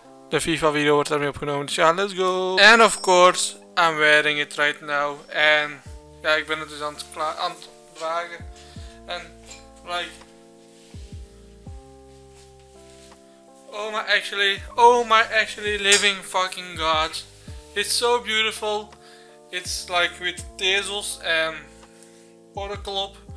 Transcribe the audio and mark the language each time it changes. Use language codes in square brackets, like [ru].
[nl] De FIFA video wordt daarmee opgenomen, dus ja, [en] let's go. And of course, I'm wearing it right now. [nl] En ja, ik ben het dus aan het dragen. En like. [en] Oh my actually living fucking god. It's so beautiful. It's like with Tezos en Oracle op.